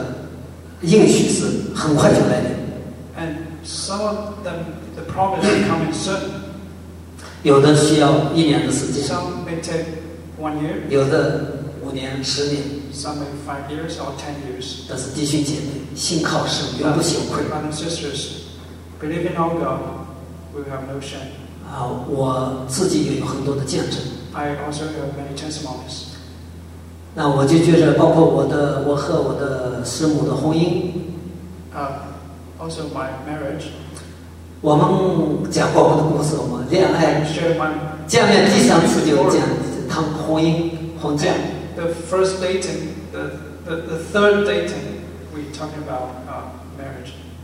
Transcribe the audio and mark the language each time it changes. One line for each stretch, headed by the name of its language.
Chinese: 那有的这个应许是很快就来临。
English: And some of them, the promise will come soon.
Chinese: 有的需要一年的时间。
English: Some may take 1 year.
Chinese: 有的5年、10年，
English: some may 5 years or 10 years.
Chinese: 但是弟兄姐妹，信靠神，永不羞愧。
English: Brothers and sisters, believe in our God, we have no shame.
Chinese: 我自己也有很多的见证。
English: I also have many testimonies.
Chinese: 那我就觉得，包括我和我的师母的婚姻。
English: Also my marriage.
Chinese: 我们讲过我们的故事，我们恋爱见面第3次就讲谈婚姻婚嫁。
English: The first dating, the third dating, we talk about marriage.